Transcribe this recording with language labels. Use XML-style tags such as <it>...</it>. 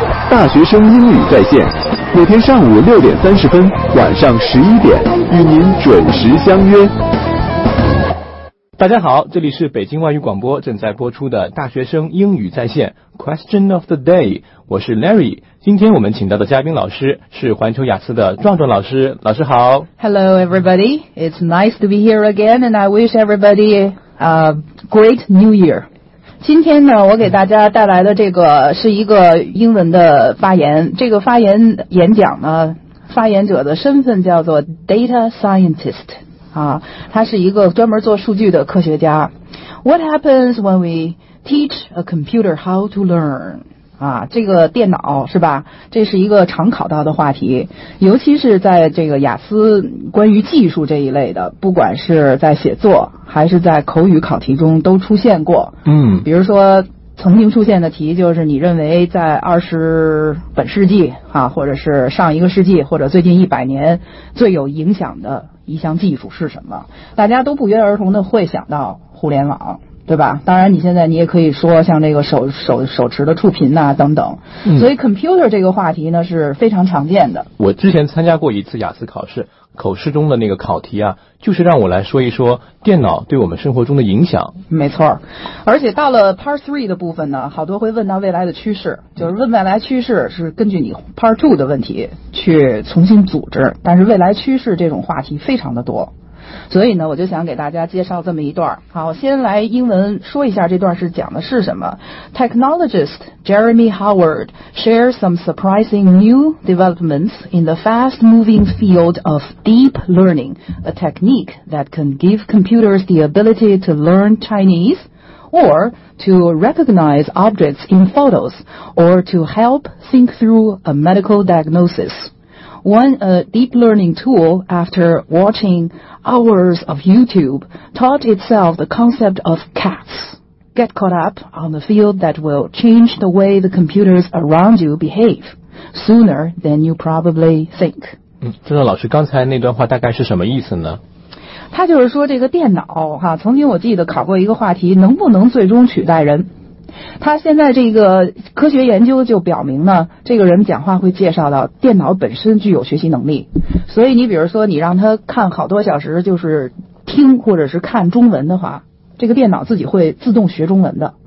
<zh>大学生英语在线，每天上午6:30，晚上11:00，与您准时相约。大家好，这里是北京外语广播正在播出的大学生英语在线 Question of the day， 我是 Larry。今天我们请到的嘉宾老师是环球雅思的壮壮老师。老师好。</zh> <en>Hello everybody, it's nice to be here again and I wish everybody a great new year。</en> <zh>今天呢，我给大家带来的这个是一个英文的发言，这个发言演讲呢，发言者的身份叫做 Data Scientist啊，他是一个专门做数据的科学家。</zh> <en>What happens when we teach a computer how to learn？</en> <zh>啊，这个电脑是吧？这是一个常考到的话题，尤其是在这个雅思关于技术这一类的，不管是在写作还是在口语考题中都出现过。嗯，比如说曾经出现的题就是，你认为在20本世纪啊，或者是上一个世纪，或者最近100年最有影响的一项技术是什么？大家都不约而同的会想到互联网，对吧？当然你现在你也可以说像这个手持的触屏啊等等。所以 computer 这个话题呢是非常常见的。我之前参加过一次雅思考试，口试中的那个考题啊，就是让我来说一说电脑对我们生活中的影响。没错，而且到了 part 3的部分呢，好多会问到未来的趋势，就是问未来趋势是根据你 part 2的问题去重新组织，但是未来趋势这种话题非常的多，所以呢我就想给大家介绍这么一段。好，先来英文说一下这段是讲的是什么。</zh> <en>Technologist Jeremy Howard shares some surprising new developments in the fast moving field of deep learning, a technique that can give computers the ability to learn Chinese or to recognize objects in photos or to help think through a medical diagnosis. One a deep learning tool after watchinghours of YouTube taught itself the concept of cats. Get caught up on the field that will change the way the computers around you behave sooner than you probably think.</en> <zh>郑老师，刚才那段话大概是什么意思呢？他就是说这个电脑哈，曾经我记得考过一个话题，能不能最终取代人？他现在这个科学研究就表明呢，这个人讲话会介绍到电脑本身具有学习能力，所以你比如说你让他看好多小时就是听或者是看中文的话，这个电脑自己会自动学中文的。</zh>